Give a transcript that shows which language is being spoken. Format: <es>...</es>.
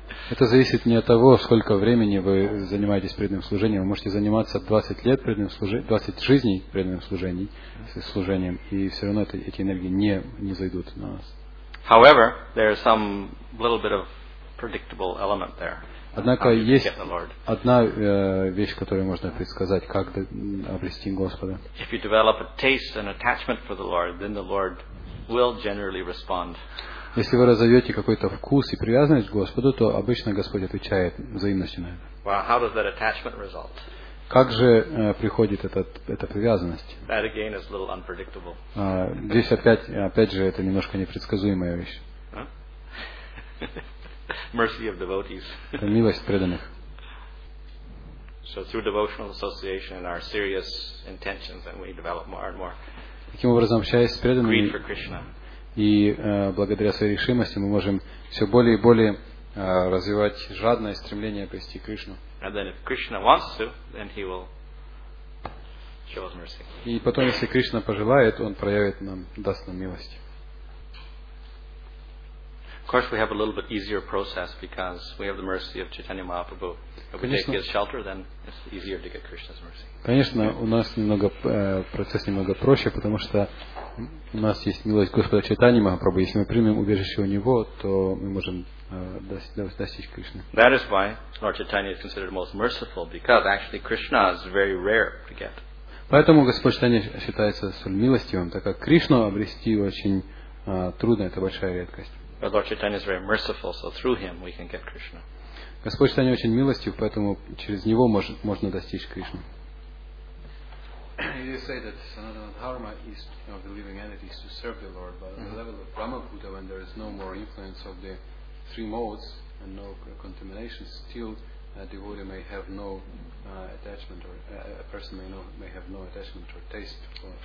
<ru>Это зависит не от того, сколько времени вы занимаетесь преданным служением. Вы можете заниматься 20 лет преданным служением, 20 жизней преданным служением, и все равно эти энергии не зайдут на вас.</ru> <en>However, there is some little bit of predictable element there.</en> <ru>Однако есть одна вещь, которую можно предсказать, как обрести Господа.</ru> <en>If you develop a taste and attachment for the Lord, then the Lord will generally respond.</en> <ru>Если вы разовьете какой-то вкус и привязанность к Господу, то обычно Господь отвечает взаимностью на это.</ru> <en>Well, how does that attachment result?</en> <ru>Как же приходит эта привязанность?</ru> <en>That again is a little unpredictable.</en> <ru>Здесь опять же это немножко непредсказуемая вещь.</ru> <en>Mercy of devotees.</en> <ru>Милость преданных.</ru> <en>So through devotional association and our serious intentions, then we develop more and more.</en> <ru>Таким образом, общаясь с преданными.</ru> <en>Greed for Krishna.</en> <ru>И благодаря своей решимости мы можем все более и более развивать жадное стремление обрести Кришну.</ru> <en>And then if Krishna wants to, then he will show us mercy.</en> <ru>И потом, если Кришна пожелает, он проявит нам, даст нам милость.</ru> <en>Of course, we have a little bit easier process because we have the mercy of Chaitanya Mahaprabhu. If we take his shelter, then it's easier to get Krishna's mercy.</en> <ru>Конечно, у нас немного процесс немного проще, потому что у нас есть милость Господа Чайтаньи Махапрабху. Если мы примем убежище у Него, то мы можем достичь Кришны.</ru> <en>That is why Lord Chaitanya is considered most merciful, because actually Krishna is very rare to get.</en> <ru>Поэтому Господь Чайтанья считается столь милостивым, так как Кришну обрести очень трудно, это большая редкость.</ru> <en>Lord Chaitanya is very merciful, so through Him we can get Krishna.</en> <ru>Господь Чайтанья очень милостив, поэтому через Него можно достичь Кришны.</ru> <en>You say that Sanatana Dharma is of the living entities to serve the Lord, but at the level of Brahmaputta, when there is no more influence of the three modes and no contamination, still a devotee may have no attachment, or a person may have no attachment or taste for</en>